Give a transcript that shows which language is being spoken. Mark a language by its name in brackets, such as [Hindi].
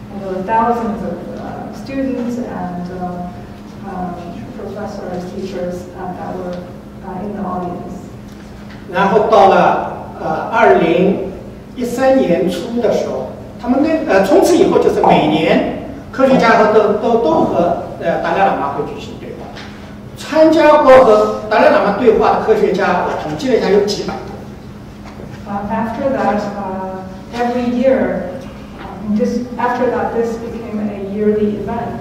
[English] And there were thousands of students and professors, teachers that were in the audience. [Chinese] 然后到了2013年初的时候，他们从此以后就是每年科学家和都和达赖喇嘛会举行对话。参加过和达赖喇嘛对话的科学家，我统计了一下，有几百多。 [English] After that, every year, just after that, this became a yearly event.